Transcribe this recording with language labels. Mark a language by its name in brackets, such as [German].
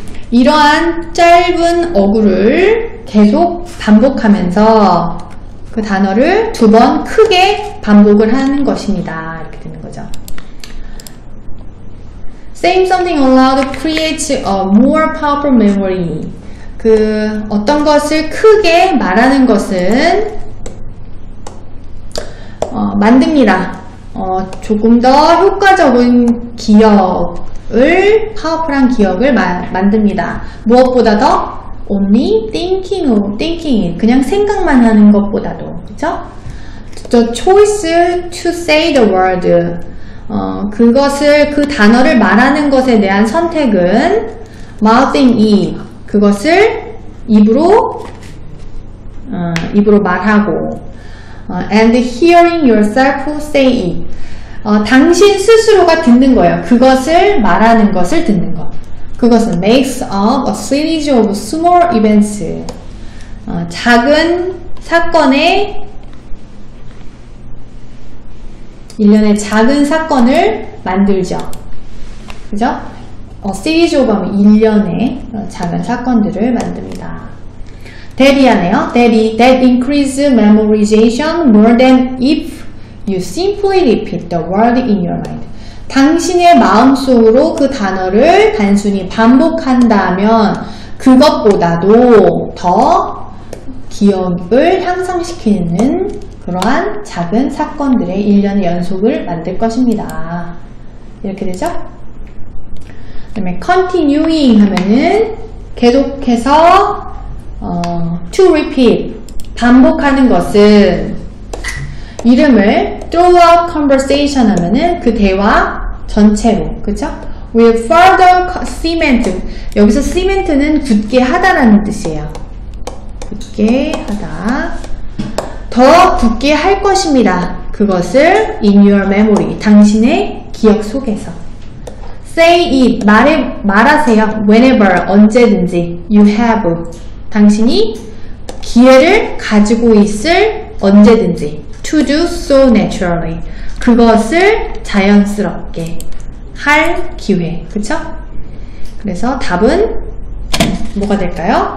[Korean] 이러한 짧은 어구를 계속 반복하면서 그 단어를 두 번 크게 반복을 하는 것입니다. 이렇게 되는 거죠. [English] Saying something aloud creates a more powerful memory. [Korean] 그 어떤 것을 크게 말하는 것은 만듭니다. 조금 더 효과적인 기억을 파워풀한 기억을 만듭니다. 무엇보다 더 [English] only thinking of thinking [Korean] 그냥 생각만 하는 것보다도 그렇죠? [English] The choice to say the word [Korean] 그것을 그 단어를 말하는 것에 대한 선택은 [English] mouthing it [Korean] 그것을 입으로 말하고 [English] and hearing yourself say it [Korean] 당신 스스로가 듣는 거예요. 그것을 말하는 것을 듣는 것. 그것은 [English] makes up a series of small events. [Korean] 작은 사건의 일련의 작은 사건을 만들죠. 그죠? [English] A series of [Korean] 하면 일련의 작은 사건들을 만듭니다. 대리하네요. 대리. [English] That increases memorization more than if You simply repeat the word in your mind. [Korean] 당신의 마음속으로 그 단어를 단순히 반복한다면 그것보다도 더 기억을 향상시키는 그러한 작은 사건들의 일련의 연속을 만들 것입니다. 이렇게 되죠? 그다음에 [English] continuing [Korean] 하면은 계속해서 [English] to repeat [Korean] 반복하는 것은 이름을 [English] throughout conversation [Korean] 하면은 그 대화 전체로 그쵸? [English] will further cement [Korean] 여기서 cement는 굳게 하다라는 뜻이에요. 굳게 하다 더 굳게 할 것입니다. 그것을 [English] in your memory [Korean] 당신의 기억 속에서 [English] say it [Korean] 말하세요. [English] whenever [Korean] 언제든지 [English] you have [Korean] 당신이 기회를 가지고 있을 언제든지 [English] To do so naturally. [Korean] 그것을 자연스럽게 할 기회. 그쵸? 그래서 답은 뭐가 될까요?